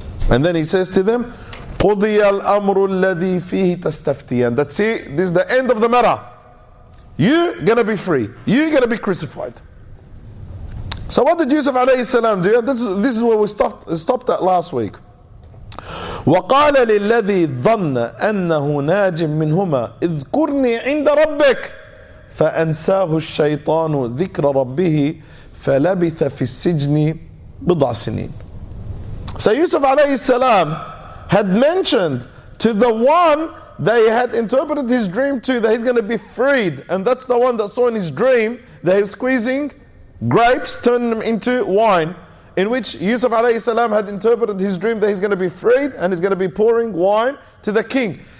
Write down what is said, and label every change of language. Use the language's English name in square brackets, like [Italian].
[English] And then he says to them, [Arabic] قُضِيَ الْأَمْرُ الَّذِي فِيهِ تَسْتَفْتِيَانَ. [English] That's it, this is the end of the matter. You're going to be free. You're going to be crucified. So what did Yusuf alayhi salam do? This is where we stopped at last week. [Arabic] وقال للذي ظن أنه ناج منهما اذكرني عند ربك فأنساه الشيطان ذكر ربه فلبث في السجن بضع سنين. [English] So Yusuf alayhi salam had mentioned to the one that he had interpreted his dream to that he's going to be freed, and that's the one that saw in his dream that he was squeezing grapes, turning them into wine, in which Yusuf alayhi salam had interpreted his dream that he's going to be freed and he's going to be pouring wine to the king.